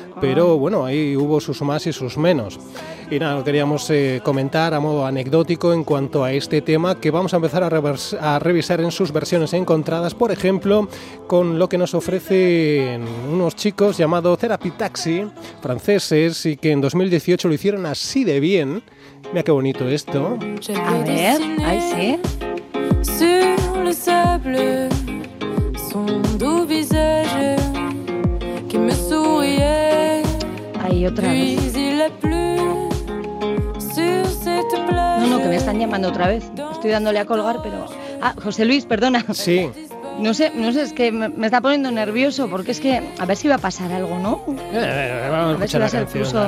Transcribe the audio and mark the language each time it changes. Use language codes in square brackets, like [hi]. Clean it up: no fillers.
[es] Pero bueno, ahí hubo sus más y sus menos. Y nada, lo queríamos comentar a modo anecdótico en cuanto a este tema, que vamos a empezar a revisar en sus versiones encontradas, por ejemplo, con lo que nos ofrecen unos chicos llamados Therapy Taxi, franceses, y que en 2018 lo hicieron así de bien. Mira qué bonito esto. A ver, ahí sí. [fr] Sur le sable, son doux visage qui me souriait. [es] Ahí otra vez. No, que me están llamando otra vez. Estoy dándole a colgar, pero... Ah, José Luis, perdona. Sí. No sé, es que me está poniendo nervioso, porque es que a ver si va a pasar algo, ¿no? Vamos a escuchar la canción.